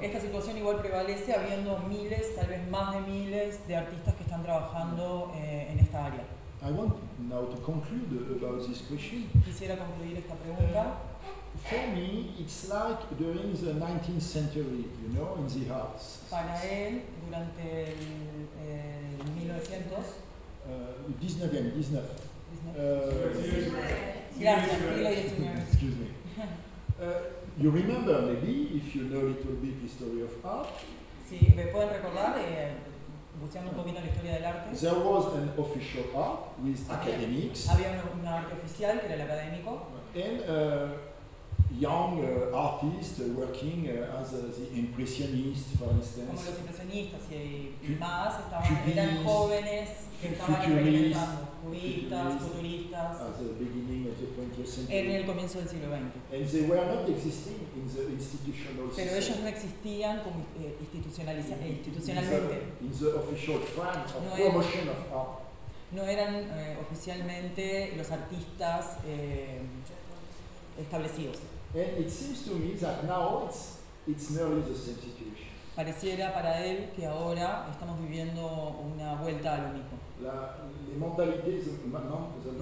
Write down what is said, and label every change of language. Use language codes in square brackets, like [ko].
[es] Esta situación igual prevalece habiendo miles, tal vez más de miles de artistas que están trabajando en esta área. [en] I want now to conclude about this question. [es] Quisiera concluir esta pregunta. [en] For me, it's like during the 19th century, you know, in the arts. [es] Para él, durante el 1900. [en] 19. Excuse me. You remember maybe if you know a little bit history of art. [es] Sí, me pueden recordar. Buscando un poquito la historia del arte. [en] There was an official art with academics. [es] Había un arte oficial que era el académico. [en] And young artists working as the impressionists, for instance. [es] Como los impresionistas y más estaban eran jóvenes que estaban futuristas. [en] At the beginning of the 20th century. [es] En el comienzo del siglo XX. [en] And they were not existing in the institutional. [es] Pero [en] system. [es] Ellos no existían como institucionalmente. [en] In the official front of promotion of art. [es] No eran oficialmente los artistas establecidos. [en] And it seems to me that now it's nearly the same situation. [es] Pareciera para él que ahora estamos viviendo una vuelta a lo mismo.